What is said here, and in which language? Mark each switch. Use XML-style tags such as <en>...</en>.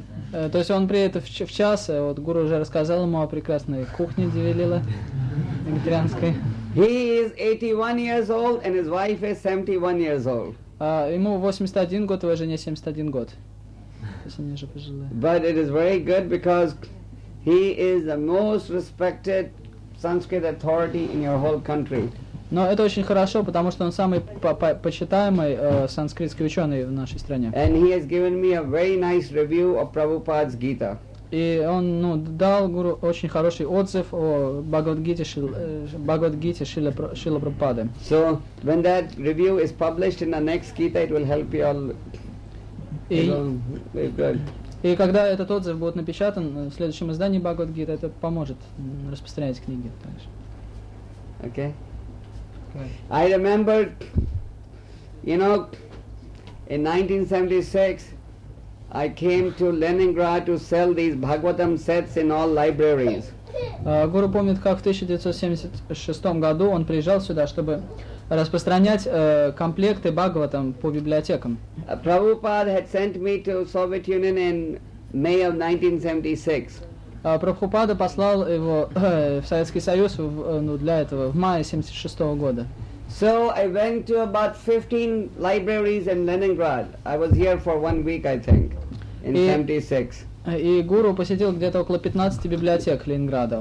<ru>То есть он приедет в час, вот Гуру уже рассказал ему о прекрасной кухне Дивилила вегетарианской.</ru> <en>He is 81 years old and his wife is 71 years old.</en> <ru>Ему 81 год, его жене 71 год. То есть они же пожилые.</ru> <en>But it is very good because he is the most respected Sanskrit authority in your whole country.</en> <ru>Но это очень хорошо, потому что он самый почитаемый санскритский ученый в нашей стране.</ru> <en>And he has given me a very nice review of Prabhupada's Gita.</en> <ru>И он, ну, дал Гуру очень хороший отзыв о Бхагавад-гите Шрила Прабхупады.</ru> <en>So, when that review is published in the next Gita, it will help you all.</en> <ru>И когда этот отзыв будет напечатан в следующем издании Бхагавад-гита, это поможет распространять книги.</ru> <en>Okay. I remember, you know, in 1976, I came to Leningrad to sell these Bhagavatam sets in all libraries.</en> <ru>Гуру помнит, как в 1976 году он приезжал сюда, чтобы распространять комплекты Бхагаватам по библиотекам.</ru> <en>Prabhupada had sent me to Soviet Union in May of 1976.</en> <ru>Прабхупада послал его в Советский Союз для этого в мае 76 года.</ru> <en>So I went to about 15 libraries in Leningrad. I was here for one week, I think, in 76.</en> <ru>И гуру посетил где-то около 15 библиотек Ленинграда.</ru>